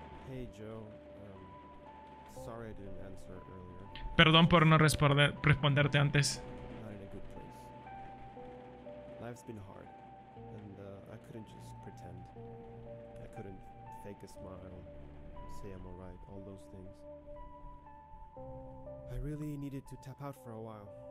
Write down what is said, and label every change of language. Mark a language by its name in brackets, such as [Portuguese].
[English] Hey Joe, sorry I didn't answer earlier. [Spanish] Perdón por no responderte antes. [English] Not in a good place. Life's been hard, and I couldn't just pretend. I couldn't fake a smile, say I'm alright, all those things. I really needed to tap out for a while.